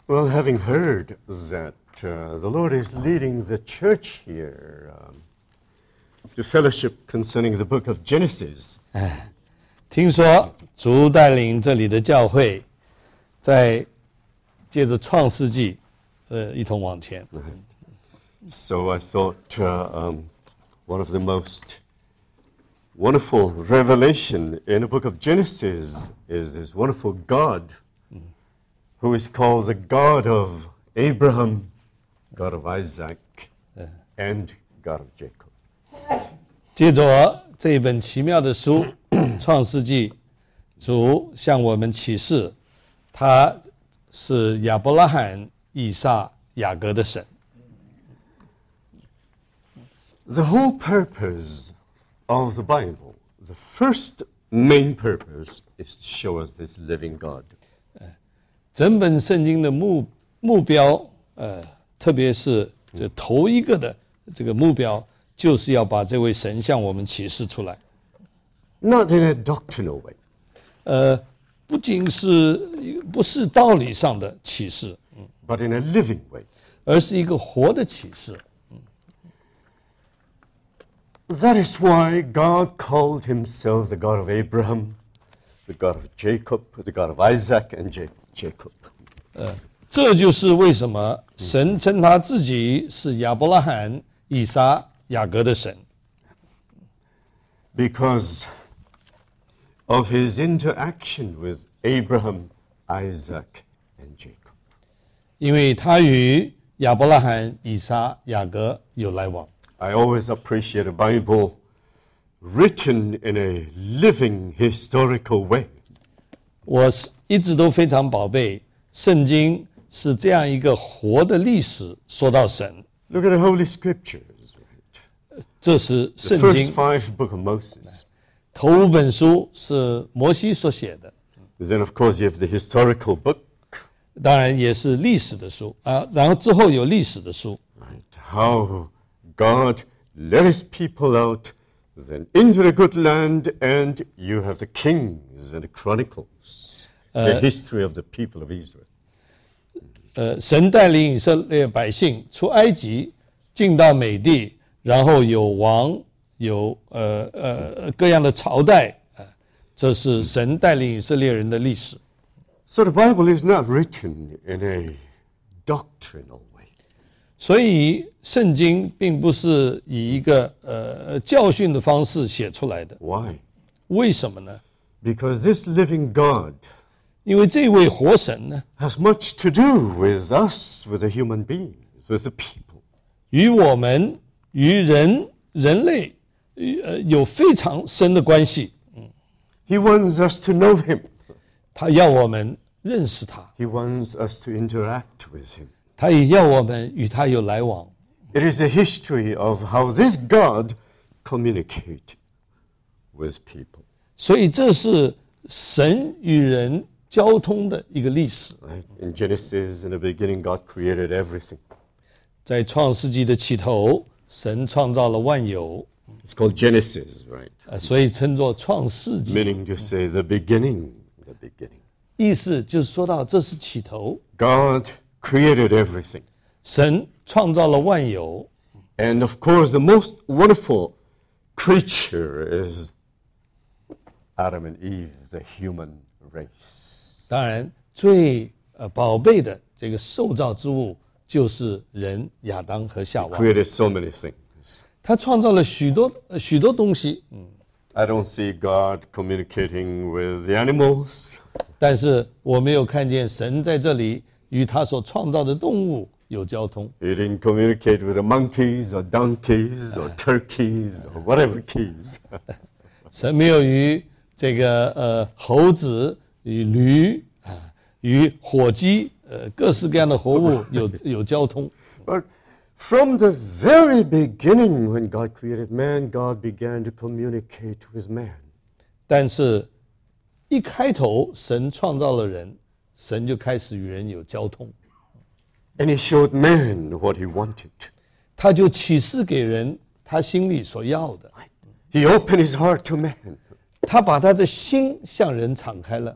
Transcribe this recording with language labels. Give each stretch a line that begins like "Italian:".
English: Well, having heard that the Lord is leading the church here to fellowship concerning the book of Genesis.
Chinese: 听说主带领这里的教会在借着创世纪一同往前。
English: So I thought one of the most wonderful revelation in the book of Genesis is this wonderful God who is called the God of Abraham, God of Isaac, and God of Jacob.
Chinese: 借着这本奇妙的书《创世纪》，主向我们启示，他是亚伯拉罕、以撒、雅各的神。
English: The whole purpose of the Bible, the first main purpose, is to show us this living God.
Chinese: 整本圣经的目标，特别是这头一个的这个目标，就是要把这位神向我们启示出来。
English: Not in a doctrinal way.
Chinese: 不仅是不是道理上的启示。
English: But in a living way.
Chinese: 而是一个活的启示。
English: That is why God called himself the God of Abraham, the God of Jacob, the God of Isaac and Jacob.
Chinese: 这就是为什么神称他自己是亚伯拉罕、以撒、雅各的神。
English: Because of his interaction with Abraham, Isaac, and Jacob.
Chinese: 因为他与亚伯拉罕、以撒、雅各有来往。
English: I always appreciate a Bible written in a living historical way.
Chinese: 我一直都非常宝贝，圣经是这样一个活的历史，说到神。
English: Look at the Holy Scriptures.
Chinese: 这是圣经。
English: The first five books of Moses.
Chinese: 头五本书是摩西所写的。
English: Then of course you have the historical book.
Chinese: 当然也是历史的书，然后之后有历史的书。
English: How God led his people out then into the good land, and you have the kings and the chronicles, the history of the people of Israel.
Chinese: 神带领以色列百姓出埃及，进到美地，然后有王，有各样的朝代，这是神带领以色列人的历史。
English: So the Bible is not written in a doctrinal way.
Chinese: 所以圣经并不是以一个教训的方式写出来的。
English: Why?
Chinese: 为什么呢？
English: Because this living God,
Chinese: 因为这位活神呢，
English: has much to do with us, with the human beings, with the people.
Chinese: 与我们，与人类，有非常深的关系。
English: He wants us to know him.
Chinese: 他要我们认识他。
English: He wants us to interact with him.
Chinese: 他也要我们与他有来往。
English: It is the history of how this God communicates with people.
Chinese: 所以这是神与人交通的一个历史。
English: In Genesis, in the beginning, God created everything.
Chinese: 在创世纪的起头，神创造了万有。
English: It's called Genesis, right?
Chinese: 所以称作创世纪。
English: Meaning to say the beginning.
Chinese: 意思就是说到这是起头。
English: God created everything.
Chinese: 神创造了万有。
English: And of course, the most wonderful creature is Adam and Eve, the human race.
Chinese: 当然最宝贝的这个受造之物就是人亚当和夏娃。
English: He created so many things.
Chinese: 他创造了许多东西。
English: I don't see God communicating with the animals.
Chinese: 但是我没有看见神在这里与他所创造的动物有交通。
English: He didn't communicate with the monkeys or donkeys or turkeys or whatever keys.
Chinese: 神没有与这个猴子、与驴、与火鸡、各式各样的活物有交通。
English: But from the very beginning, when God created man, God began to communicate with man.
Chinese: 但是，一开头神创造了人，神就开始与人有交通。
English: And he showed man what he wanted.
Chinese: 他就启示给人他心里所要的。
English: He opened his heart to man.
Chinese: 他把他的心向人敞开了。